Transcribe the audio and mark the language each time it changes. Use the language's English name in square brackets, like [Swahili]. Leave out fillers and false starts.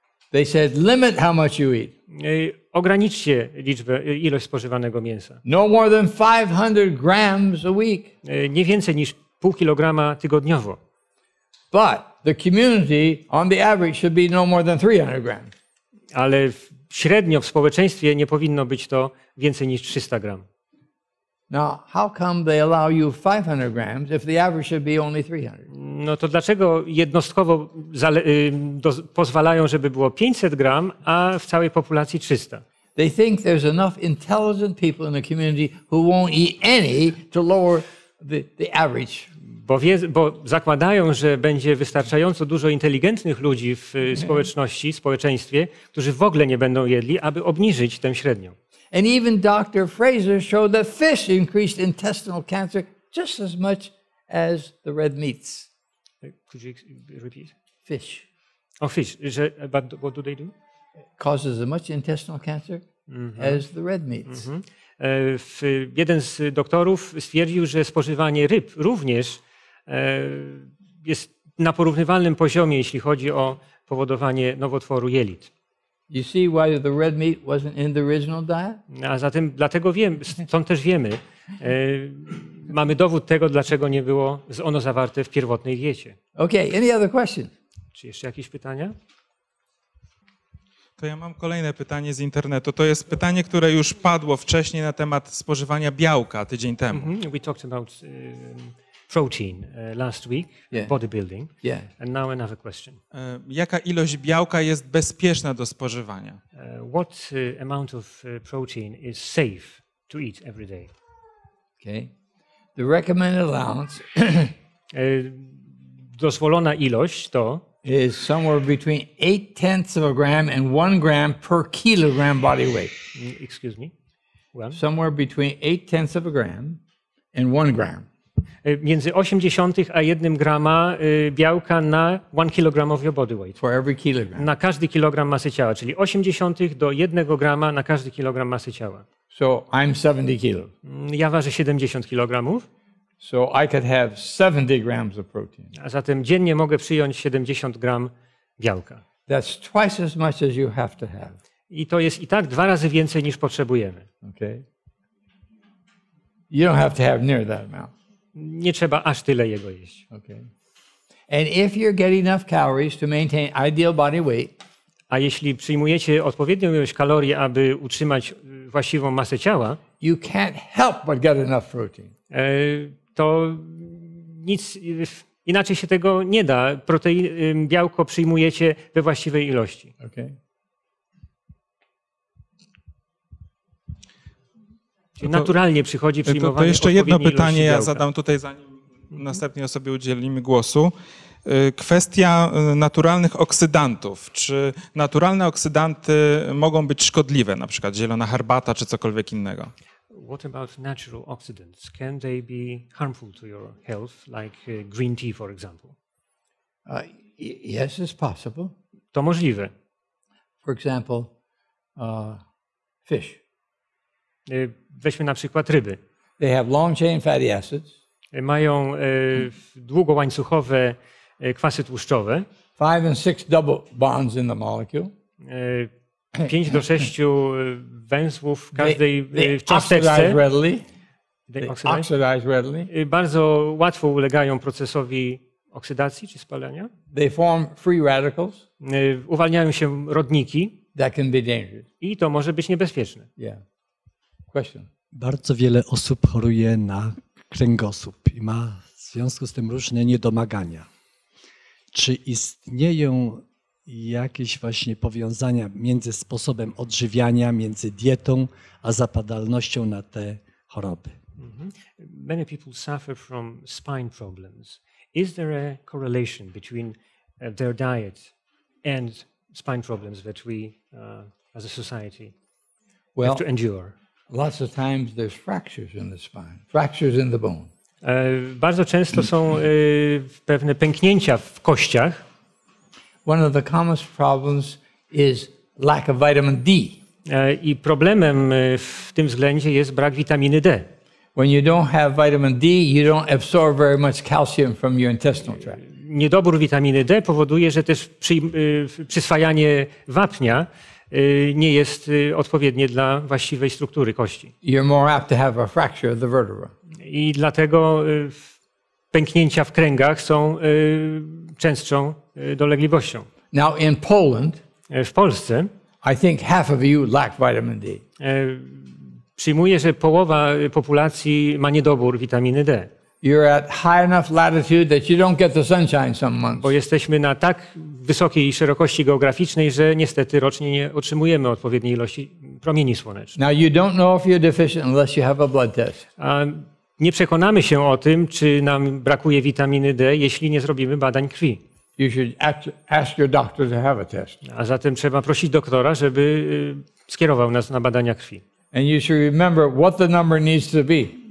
[English] They said limit how much you eat. [Polish] Ograniczcie liczbę, ilość spożywanego mięsa. [English] No more than 500 grams a week. [Polish] Nie więcej niż 0,5 kilograma tygodniowo. [English] But the community on the average should be no more than 300 grams. [Polish] Ale średnio w społeczeństwie nie powinno być to więcej niż 300 gram. [English] Now, how come they allow you 500 grams if the average should be only 300? [Polish] No to dlaczego jednostkowo pozwalają, żeby było 500 gram, a w całej populacji 300? [English] They think there's enough intelligent people in the community who won't eat any to lower the average. [Polish] Bo zakładają, że będzie wystarczająco dużo inteligentnych ludzi w społeczności, w społeczeństwie, którzy w ogóle nie będą jedli, aby obniżyć tę średnią. [English] And even Dr. Fraser showed that fish increased intestinal cancer just as much as the red meats. Could you repeat? Fish. Oh, fish. But what do they do? Causes as much intestinal cancer mm-hmm. as the red meats. Mm-hmm. [Polish] Jeden z doktorów stwierdził, że spożywanie ryb również jest na porównywalnym poziomie, jeśli chodzi o powodowanie nowotworu jelit. [English] You see why the red meat wasn't in the original diet? [Polish] A zatem dlatego wiemy, stąd też wiemy, mamy dowód tego, dlaczego nie było ono zawarte w pierwotnej diecie. [English] Okay, any other question? [Polish] Czy jeszcze jakieś pytania? To ja mam kolejne pytanie z internetu. To jest pytanie, które już padło wcześniej na temat spożywania białka tydzień temu. Mm-hmm. [English] We talked about protein last week, yeah. Bodybuilding. Yeah. And now another question. [Polish] Jaka ilość białka jest bezpieczna do spożywania? [English] What amount of protein is safe to eat every day? Okay. The recommended allowance. [Polish] Dozwolona ilość to [English] is somewhere between 0.8 grams and 1 gram per kilogram body weight. Excuse me. One. Somewhere between 0.8 grams and 1 gram. [Polish] Między 0.8 a 1 gram białka na 1 kilogram [English] of your body weight. For every kilogram. [Polish] Na każdy kilogram masy ciała, czyli 0.8 do 1 grama na każdy kilogram masy ciała. [English] So I'm 70 kilo. [Polish] Ja ważę 70 kilogramów. [English] So I could have 70 grams of protein. [Polish] A zatem dziennie mogę przyjąć 70 gram białka. [English] That's twice as much as you have to have. [Polish] I to jest i tak dwa razy więcej niż potrzebujemy. [English] Okay. You don't have to have near that amount. [Polish] Nie trzeba aż tyle jego jeść. [English] Okay. And if you're getting enough calories to maintain ideal body weight. [Polish] A jeśli przyjmujecie odpowiednią ilość kalorii, aby utrzymać właściwą masę ciała, [English] you can't help but get enough protein. [Polish] To nic, inaczej się tego nie da. Białko przyjmujecie we właściwej ilości. [English] Okay. [Polish] Czyli naturalnie przychodzi przyjmowanie to jeszcze jedno pytanie ja zadam tutaj, zanim następnie sobie udzielimy głosu. Kwestia naturalnych oksydantów. Czy naturalne oksydanty mogą być szkodliwe, na przykład zielona herbata czy cokolwiek innego? [English] What about natural oxidants? Can they be harmful to your health, like green tea, for example? Yes, it's possible. [Polish] To możliwe. [English] For example, fish. [Polish] Weźmy na przykład ryby. [English] They have long-chain fatty acids. [Polish] Mają długołańcuchowe kwasy tłuszczowe. [English] 5 and 6 double bonds in the molecule. [Polish] 5 do 6 węzłów w każdej cząsteczce. [English] They oxidize readily. [Polish] Bardzo łatwo ulegają procesowi oksydacji czy spalania. [English] They form free radicals. [Polish] Uwalniają się rodniki. [English] That can be dangerous. [Polish] I to może być niebezpieczne. [English] Yeah. Question. [Polish] Bardzo wiele osób choruje na kręgosłup i ma w związku z tym różne niedomagania. Czy istnieją jakieś właśnie powiązania między sposobem odżywiania, między dietą, a zapadalnością na te choroby? Mm-hmm. [English] Many people suffer from spine problems. Is there a correlation between their diet and spine problems that we, as a society, well, have to endure? Lots of times there's fractures in the spine, fractures in the bone. [Polish] Bardzo często są pewne pęknięcia w kościach. [English] One of the commonest problems is lack of vitamin D. [Polish] I problemem w tym względzie jest brak witaminy D. [English] When you don't have vitamin D, you don't absorb very much calcium from your intestinal tract. [Polish] Niedobór witaminy D powoduje, że też przyswajanie wapnia nie jest odpowiednie dla właściwej struktury kości. [English] You're more apt to have a fracture of the vertebra. [Polish] I dlatego pęknięcia w kręgach są częstszą dolegliwością. [English] Now in Poland, [Polish] w Polsce, [English] I think half of you lack vitamin D. [Polish] Przyjmuję, że połowa populacji ma niedobór witaminy D. [English] You're at high enough latitude that you don't get the sunshine some months. [Polish] Bo jesteśmy na tak wysokiej szerokości geograficznej, że niestety rocznie nie otrzymujemy odpowiedniej ilości promieni słonecznych. [English] Now you don't know if you're deficient unless you have a blood test. [Polish] Nie przekonamy się o tym, czy nam brakuje witaminy D, jeśli nie zrobimy badań krwi. [English] You should ask your doctor to have a test. [Polish] A zatem trzeba prosić doktora, żeby skierował nas na badania krwi. [English] And you should remember what the number needs to be.